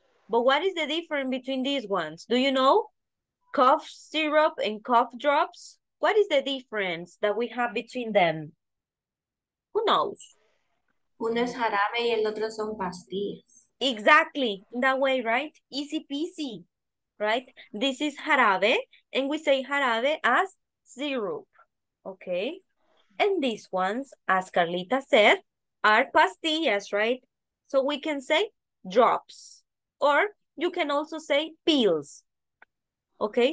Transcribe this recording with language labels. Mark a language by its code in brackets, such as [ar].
[en] But what is the difference between these ones? Do you know? Cough syrup and cough drops? What is the difference that we have between them? Who knows? [es] Uno es jarabe y el otro son pastillas. [en] Exactly, that way, right? Easy peasy, right? This is jarabe, and we say jarabe as syrup, okay? And these ones, as Carlita said, are pastillas, right? So we can say drops, or you can also say pills, okay?